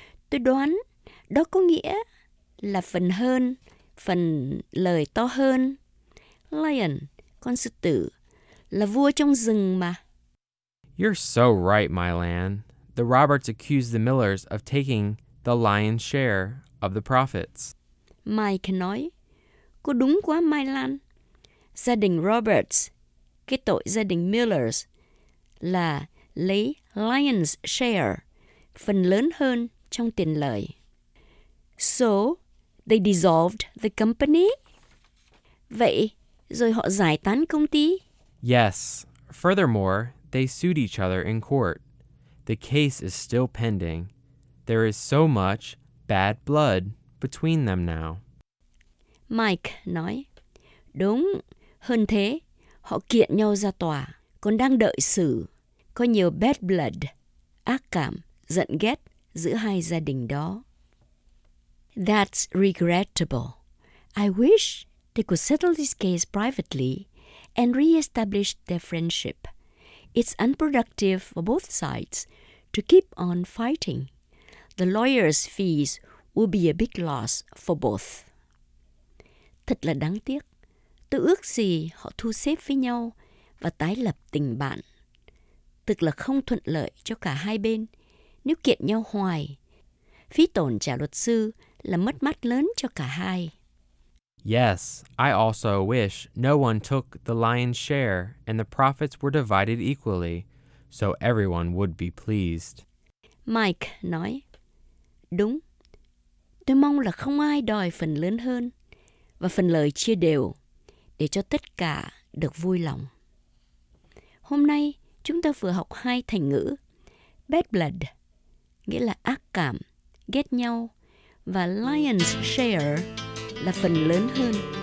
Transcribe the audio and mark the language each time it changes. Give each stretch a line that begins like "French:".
Vietnamese: Tôi đoán đó có nghĩa là phần hơn, phần lời to hơn. Lion, con sư tử, là vua trong rừng mà.
English: You're so right, Mylan. The Roberts accused the Millers of taking the lion's share of the profits.
Vietnamese: Mike nói, cô đúng quá, Mylan. Gia đình Roberts, cái tội gia đình Millers, là lấy lion's share, phần lớn hơn trong tiền lời.
English: So, they dissolved the company?
Vietnamese: Vậy, rồi họ giải tán công ty?
English: Yes. Furthermore, they sued each other in court. The case is still pending. There is so much bad blood between them now.
Vietnamese: Mike nói, đúng. Hơn thế, họ kiện nhau ra tòa, còn đang đợi xử. Có nhiều bad blood, ác cảm, giận ghét giữa hai gia đình đó.
English: That's regrettable. I wish they could settle this case privately and re-establish their friendship. It's unproductive for both sides to keep on fighting. The lawyer's fees will be a big loss for both.
Vietnamese: Thật là đáng tiếc. Tôi ước gì họ thu xếp với nhau và tái lập tình bạn. Thực là không thuận lợi cho cả hai bên nếu kiện nhau hoài. Phí tổn trả luật sư là mất mát lớn cho cả hai.
English: Yes, I also wish no one took the lion's share and the profits were divided equally, so everyone would be pleased.
Vietnamese: Mike nói, đúng, tôi mong là không ai đòi phần lớn hơn và phần lợi chia đều để cho tất cả được vui lòng. Hôm nay, chúng ta vừa học hai thành ngữ, bad blood, nghĩa là ác cảm, ghét nhau, và lion's share là phần lớn hơn.